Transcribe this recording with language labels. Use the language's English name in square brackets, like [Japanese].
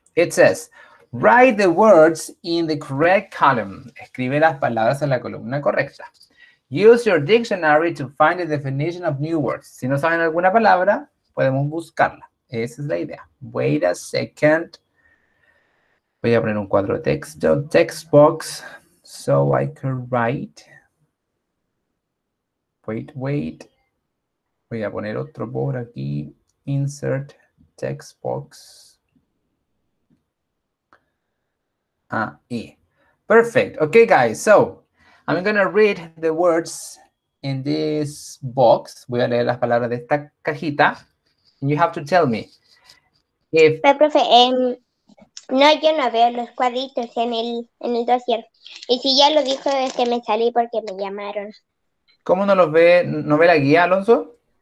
[English] It says, write the words in the correct column. [Spanish] Escribe las palabras en la columna correcta. [English] Use your dictionary to find the definition of new words. [Spanish] Si no saben alguna palabra, podemos buscarla. Esa es la idea. [English] Wait a second. [Spanish] Voy a poner un cuadro de texto, [English] text box, so I can write. Wait. [Spanish] Voy a poner otro por aquí, [English] insert text box. [Spanish] Ahí. [English] Perfect. Okay, guys. So, I'm going to read the words in this box. [Spanish] Voy a leer las palabras de esta cajita. [English] And you have to tell me. If... [Spanish] Pero, profe, no, yo no veo los cuadritos en el dossier. Y si ya lo dijo, es que me salí porque me llamaron. ¿Cómo no los ve? ¿No ve la guía, Alonso?